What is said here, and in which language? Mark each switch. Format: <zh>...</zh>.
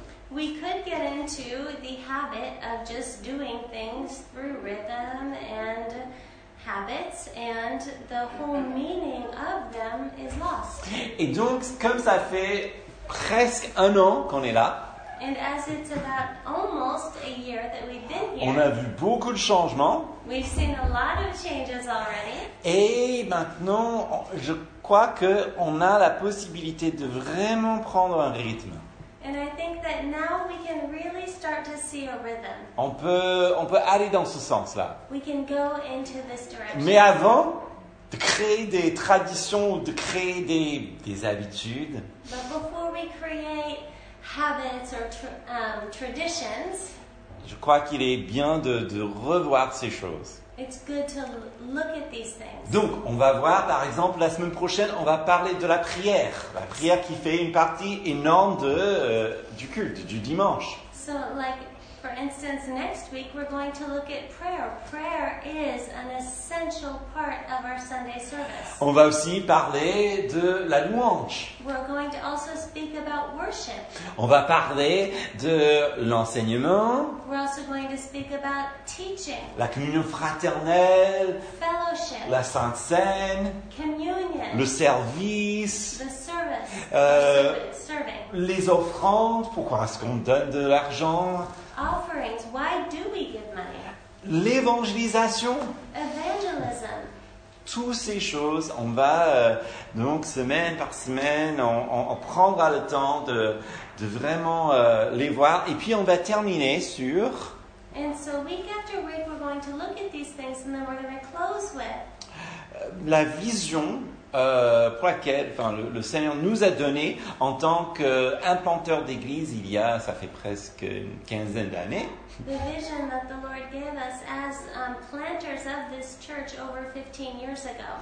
<en>We could get into the habit of just doing things through rhythm and habits, and the whole meaning of them is lost.</en> <fr>Et donc, comme ça fait presque un an qu'on est là,</fr> <en>and as it's about almost a year that we've been here,</en> <fr>on a vu beaucoup de changements.</fr> <en>We've seen a lot of changes already.</en> <fr>Et maintenant, je crois qu'on a la possibilité de vraiment prendre un rythme.</fr> <en>And I think that now we can really start to see a rhythm.</en> <fr>On peut aller dans ce sens-là.</fr> <en>We can go into this direction.</en> <fr>Mais avant de créer des traditions, de créer des habitudes.</fr> <en>But before we create habits or traditions,</en> <fr>je crois qu'il est bien de revoir ces choses.</fr> <en>It's good to look at these things.</en> <fr>Donc, on va voir, par exemple, la semaine prochaine, on va parler de la prière. La prière qui fait une partie énorme du culte, du dimanche.</fr> <en>So, like, for instance, next week, we're going to look at prayer. Prayer is an essential part of our Sunday service.</en> <fr>On va aussi parler de la louange.</fr> <en>We're going to also speak about worship.</en> <fr>On va parler de l'enseignement.</fr> <en>We're also going to speak about teaching.</en> <fr>La communion fraternelle.</fr> <en>Fellowship.</en> <fr>La Sainte Cène.</fr> <en>Communion.</en> <fr>Le service.</fr> <en>The service. Serving.</en> <fr>Les offrandes. Pourquoi est-ce qu'on donne de l'argent?</fr> <en>Offerings. Why do we give money?</en> <fr>L'évangélisation.</fr> <en>Evangelism.</en> <fr>Toutes ces choses, on va donc semaine par semaine, on prendra le temps de vraiment les voir. Et puis on va terminer sur.</fr> <en>And so week after week, we're going to look at these things and then we're going to close with.</en> <fr>La vision pour laquelle le Seigneur nous a donné en tant qu'implanteur d'église ça fait presque une quinzaine d'années.</fr> <en>The vision that the Lord gave us as planters of this church over 15 years ago.</en>